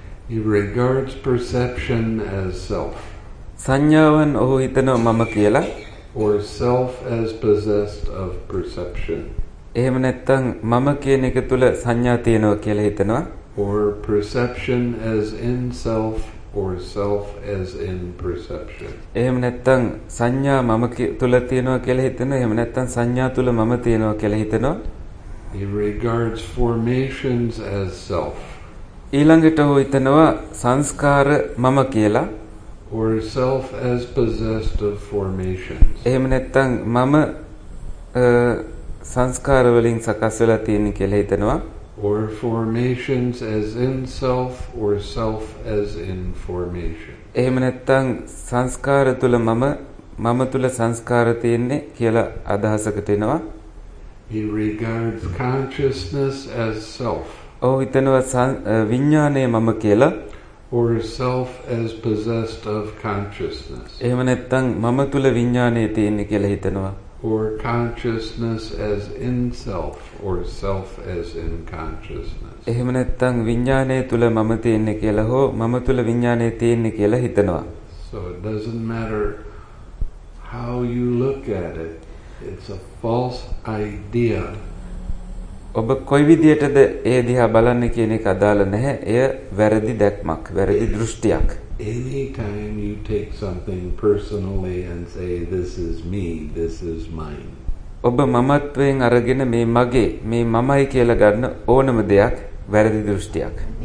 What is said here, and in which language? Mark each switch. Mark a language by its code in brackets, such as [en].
[en] he regards perception as self [si] සංඥාවන් ඔහු හිතනවා මම කියලා [en] or self as possessed of perception [si] එහෙම නැත්නම් මම කියන එක තුල සංඥා තියෙනවා කියලා හිතනවා [en] or perception as in self or self as in perception [si] එහෙම නැත්නම් සංඥා මම තුල තියෙනවා කියලා හිතනවා එහෙම නැත්නම් සංඥා තුල මම තියෙනවා කියලා හිතනවා [en] he regards formations as self [si] ඊළඟට ਉਹ හිතනවා සංස්කාර මම කියලා [en] or self as possessed of formations [si] එහෙම නැත්නම් මම සංස්කාර වලින් සකස් වෙලා තියෙන කියලා හිතනවා [en] or formations as in self or self as in formation [si] එහෙම නැත්නම් සංස්කාර තුල මම තුල සංස්කාර තියෙන්නේ කියලා අදහසකට එනවා [en] he regards consciousness as self [si] ඔව් හිතනවා විඥානය මම කියලා [en] or self as possessed of consciousness [si] එහෙම නැත්නම් මම තුල විඥානය තියෙන්නේ කියලා හිතනවා [en] or consciousness as in self or self as in consciousness [si] එහෙම නැත්නම් විඥානයේ තුල මම තියෙන්නේ කියලා හෝ මම තුල විඥානයේ තියෙන්නේ කියලා හිතනවා [en] so it doesn't matter how you look at it it's a false idea [si] ඔබ කොයි විදියටද ඒ දිහා බලන්නේ කියන එක අදාළ නැහැ එය වැරදි දැක්මක් වැරදි දෘෂ්ටියක් [en] Anytime you take something personally and say this is me this is mine [si] ඔබ මමත්වයෙන් අරගෙන මේ මගේ මේ මමයි කියලා ගන්න ඕනම දෙයක් වැරදි දෘෂ්ටියක්